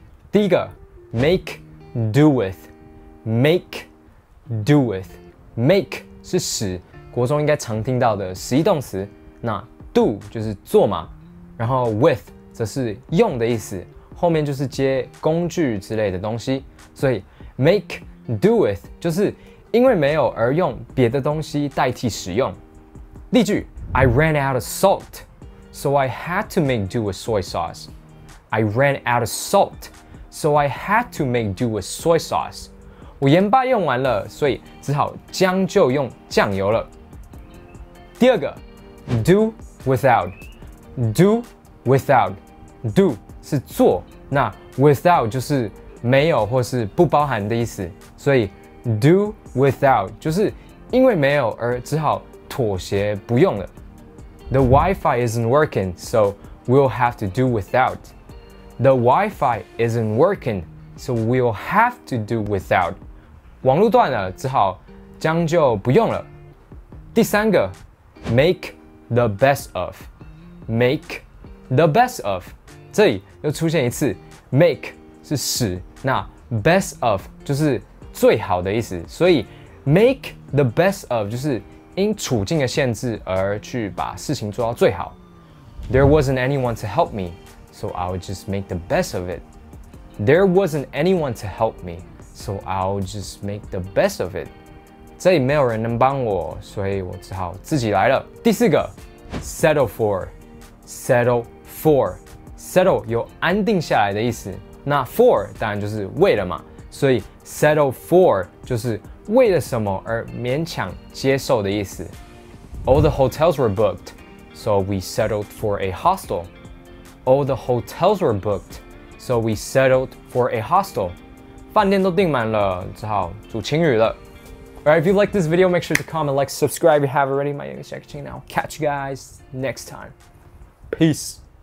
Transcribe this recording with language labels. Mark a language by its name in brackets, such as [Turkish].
[Chinese] 第一个 ，make do with， make do with， make 是使，国中应该常听到的实义动词。那 do 就是做嘛，然后 with 则是用的意思，后面就是接工具之类的东西。所以 make do with 就是因为没有而用别的东西代替使用。例句。 [English] I ran out of salt, so I had to make do with soy sauce. I ran out of salt, so I had to make do with soy sauce. [Chinese] 我盐巴用完了，所以只好将就用酱油了。第二个 ，do without, do without, do 是做，那 without 就是没有或是不包含的意思，所以 do without 就是因为没有而只好妥协不用了。 [English] The Wi-Fi isn't working, so we'll have to do without. The Wi-Fi isn't working, so we'll have to do without. [Chinese] 网络断了，只好将就不用了。第三个 ，make the best of. [English] Make the best of. [Chinese] 这里又出现一次 ，make 是使，那 best of 就是最好的意思。所以 make the best of 就是。因处境的限制而去把事情做到最好。 [English] There wasn't anyone to help me, so I'll just make the best of it. There wasn't anyone to help me, so I'll just make the best of it. [Chinese] 这里没有人能帮我，所以我只好自己来了。第四个 ，settle for, settle for, settle 有安定下来的意思，那 for 当然就是为了嘛，所以 settle for 就是。为了什么而勉强接受的意思。 [English] All the hotels were booked, so we settled for a hostel. All the hotels were booked, so we settled for a hostel. [Chinese] 饭店都订满了，只好住青旅了。 [English] Alright, if you like this video, make sure to comment, like, subscribe if you haven't already. My name is Jackie Chan. I'll catch you guys next time. Peace.